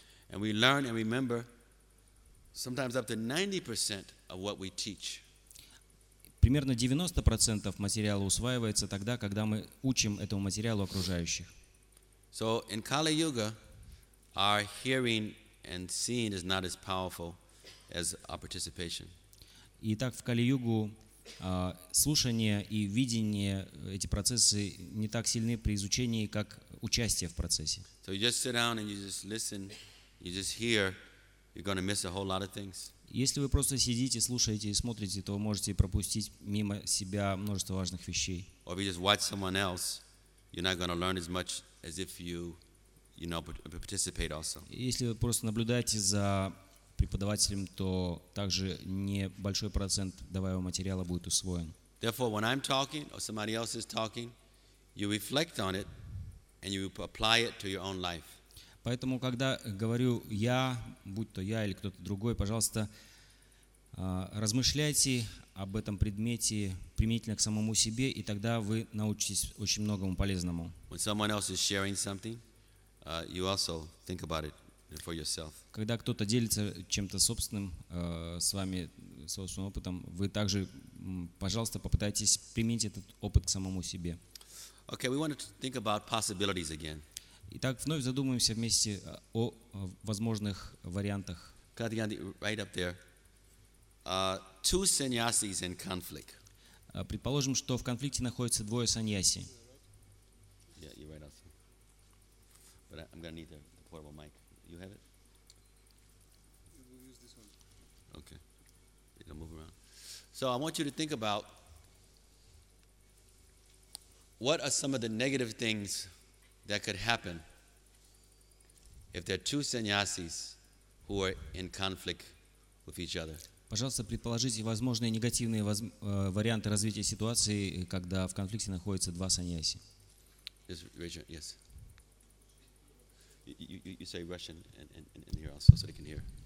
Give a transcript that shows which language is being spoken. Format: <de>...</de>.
<en>And we learn and remember sometimes up to 90% of what we teach.</en> <ru>Примерно 90% материала усваивается тогда, когда мы учим этому материалу окружающих.</ru> <en>So in Kali Yuga, our hearing and seeing is not as powerful as our participation.</en> <ru>Итак, в Кали-Югу слушание и видение, эти процессы не так сильны при изучении, как участие в процессе.</ru> <en>So you just sit down and you just listen, you just hear. You're going to miss a whole lot of things.</en> <ru>Если вы просто сидите, слушаете и смотрите, то вы можете пропустить мимо себя множество важных вещей.</ru> <en>Or if you just watch someone else, you're not going to learn as much as if you know, participate also.</en> <ru>Если вы просто наблюдаете за преподавателем, то также небольшой процент даваемого материала будет усвоен.</ru> <en>Therefore, when I'm talking or somebody else is talking, you reflect on it and you apply it to your own life.</en> <ru>Поэтому, когда говорю я, будь то я или кто-то другой, пожалуйста, размышляйте об этом предмете применительно к самому себе, и тогда вы научитесь очень многому полезному.</ru> <en>When someone else is sharing something, you also think about it for yourself.</en> <ru>Когда кто-то делится чем-то собственным с вами, собственным опытом, вы также, пожалуйста, попытайтесь применить этот опыт к самому себе.</ru> <en>Okay, we want to think about possibilities again.</en> <ru>Итак, вновь задумаемся вместе о возможных вариантах.</ru> <en>Right up there. Two sannyasis in conflict.</en> <ru>Предположим, что в конфликте находятся двое саньяси.</ru> <en>Yeah, you're right also. But I'm going to need the portable mic. You have it? We'll use this one. Okay. You can move around. So I want you to think about what are some of the negative things that could happen if there are two sannyasis who are in conflict with each other.</en> <ru>Пожалуйста, предположите возможные негативные варианты развития ситуации, когда в конфликте находятся два саньяси.</ru> <en>Yes, Rachel, yes. You say Russian and here also, so they can hear.</en>